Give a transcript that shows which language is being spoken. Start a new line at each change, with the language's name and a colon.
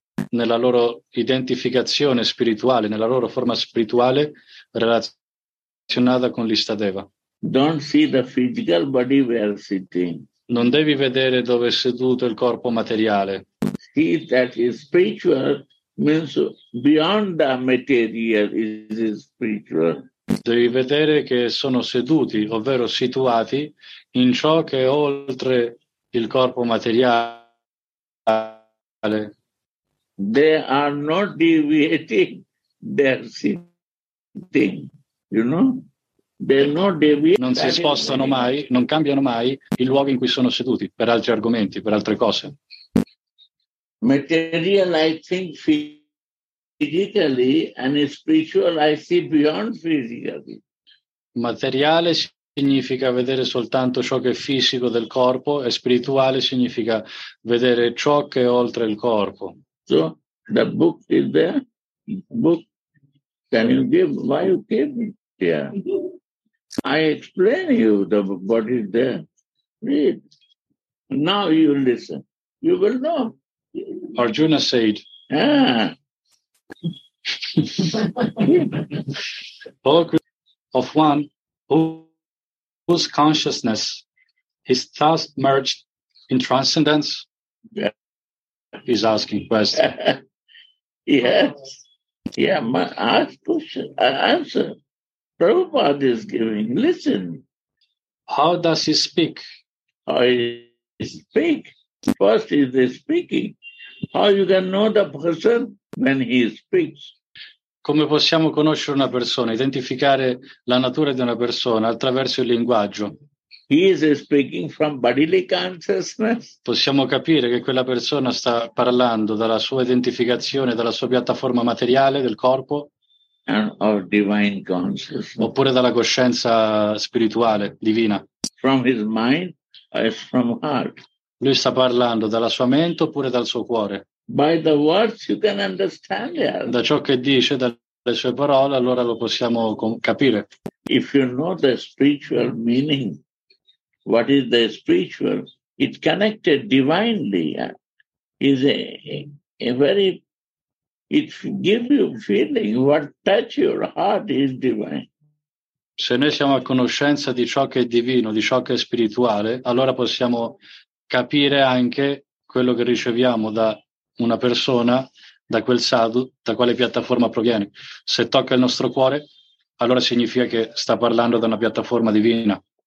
Italian: nella loro identificazione spirituale, nella loro forma spirituale relazionata con l'Istadeva.
English: Don't see the physical body where sitting.
Italian: Non devi vedere dove è seduto il corpo materiale.
English: See that is spiritual means beyond the material is spiritual.
Italian: Devi vedere che sono seduti, ovvero situati, in ciò che è oltre il corpo materiale.
English: They are not deviating their sitting, you know?
Italian: Non si spostano mai, non cambiano mai il luogo in cui sono seduti per altri argomenti, per altre cose.
English: Material I think physically and spiritual I see beyond physically.
Italian: Materiale significa vedere soltanto ciò che è fisico del corpo e spirituale significa vedere ciò che è oltre il corpo.
English: So the book is there. Book. Can you give why you came here? I explain you the body there. Read. Now you listen. You will know. Arjuna said, ah. Of one whose consciousness is thus merged in transcendence, yeah. He's asking questions. Yes. Yeah, my ask question, answer. Prabhupada is giving. Listen. How does he speak? How he speak? First is the speaking. How you can know the person when he speaks?
Italian: Come possiamo conoscere una persona, identificare la natura di una persona attraverso il linguaggio?
English: He is speaking from bodily consciousness.
Italian: Possiamo capire che quella persona sta parlando dalla sua identificazione, dalla sua piattaforma materiale del corpo.
English: Of divine consciousness.
Italian: Oppure dalla coscienza spirituale divina.
English: From his mind or from heart.
Italian: Lui sta parlando dalla sua mente oppure dal suo cuore.
English: By the words you can understand.
Italian: Da ciò che dice, dalle sue parole, allora lo possiamo capire.
English: If you know the spiritual meaning, what is the spiritual? It connected divinely. Is a very it gives you feeling what touch your heart is divine.
Italian: Se noi siamo a conoscenza di ciò che è divino, di ciò che è spirituale, allora possiamo capire anche quello che riceviamo da una persona, da quel sadhu, da quale piattaforma proviene. Se tocca il nostro cuore, allora significa che sta parlando da una piattaforma divina.